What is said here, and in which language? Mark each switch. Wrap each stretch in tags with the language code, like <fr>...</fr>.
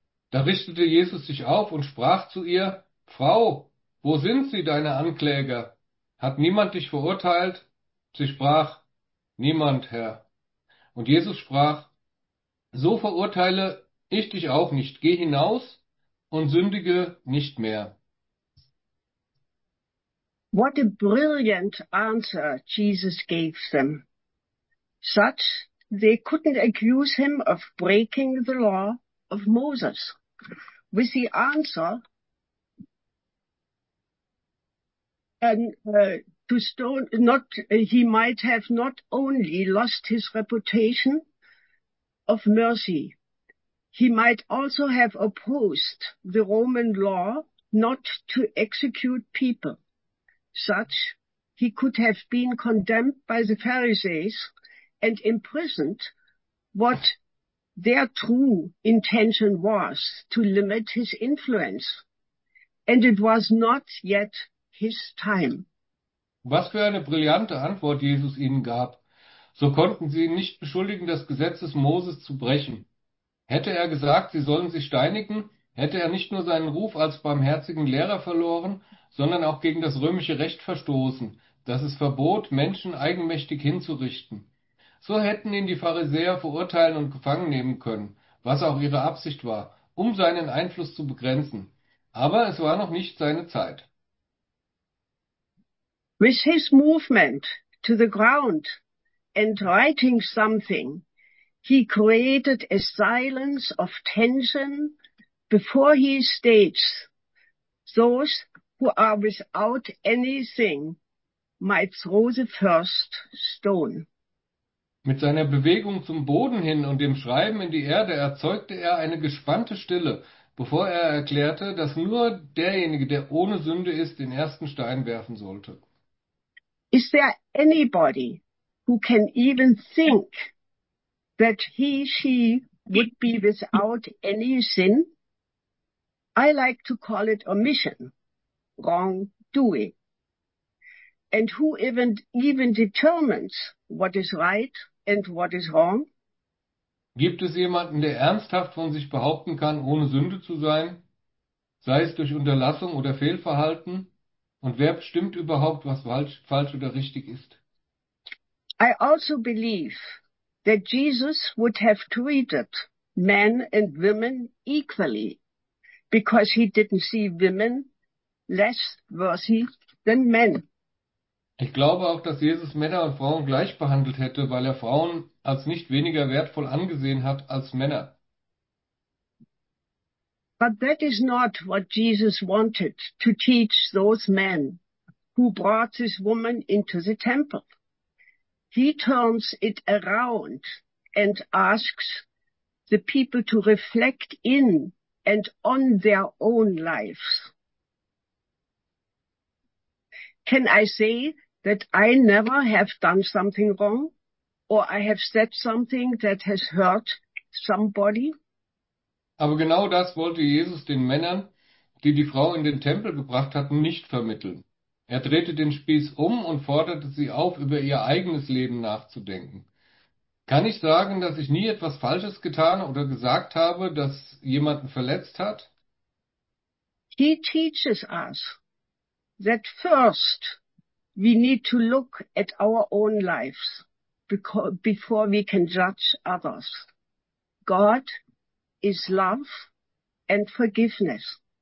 <de>Da richtete Jesus sich auf und sprach zu ihr, Frau, wo sind sie, deine Ankläger? Hat niemand dich verurteilt? Sie sprach, Niemand, Herr. Und Jesus sprach, So verurteile ich dich auch nicht. Geh hinaus und sündige nicht mehr.</de> <en>What a brilliant answer Jesus gave them. Such they couldn't accuse him of breaking the law of Moses. With the answer he might have not only lost his reputation of mercy, he might also have opposed the Roman law not to execute people. Such he could have been condemned by the Pharisees and imprisoned, what their true intention was, to limit his influence. And it was not yet his time.</en> <de>Was für eine brillante Antwort Jesus ihnen gab. So konnten sie ihn nicht beschuldigen, das Gesetz des Moses zu brechen. Hätte er gesagt, sie sollen sie steinigen, hätte er nicht nur seinen Ruf als barmherzigen Lehrer verloren, sondern auch gegen das römische Recht verstoßen, das es verbot, Menschen eigenmächtig hinzurichten. So hätten ihn die Pharisäer verurteilen und gefangen nehmen können, was auch ihre Absicht war, um seinen Einfluss zu begrenzen. Aber es war noch nicht seine Zeit.</de> <en>With his movement to the ground and writing something, he created a silence of tension before he states, those who are without anything might throw the first stone.</en> <de>Mit seiner Bewegung zum Boden hin und dem Schreiben in die Erde erzeugte er eine gespannte Stille, bevor er erklärte, dass nur derjenige, der ohne Sünde ist, den ersten Stein werfen sollte.</de> <en>Is there anybody who can even think that he/she would be without any sin? I like to call it omission, wrongdoing. And who even determines what is right and what is wrong?</en> <de>Gibt es jemanden, der ernsthaft von sich behaupten kann, ohne Sünde zu sein? Sei es durch Unterlassung oder Fehlverhalten? Und wer bestimmt überhaupt, was falsch oder richtig ist?</de> <en>I also believe that Jesus would have treated men and women equally, because he didn't see women less worthy than men.</en> <de>Ich glaube auch, dass Jesus Männer und Frauen gleich behandelt hätte, weil er Frauen als nicht weniger wertvoll angesehen hat als Männer.</de> <en>But that is not what Jesus wanted to teach those men who brought this woman into the temple. He turns it around and asks the people to reflect in and on their own lives. Can I say that I never have done something wrong, or I have said something that has hurt somebody?</en> <de>Aber genau das wollte Jesus den Männern, die die Frau in den Tempel gebracht hatten, nicht vermitteln. Er drehte den Spieß um und forderte sie auf, über ihr eigenes Leben nachzudenken. Kann ich sagen, dass ich nie etwas Falsches getan oder gesagt habe, das jemanden verletzt hat?</de> <en>He teaches us that first we need to look at our own lives before we can judge others. God is love and forgiveness.</en>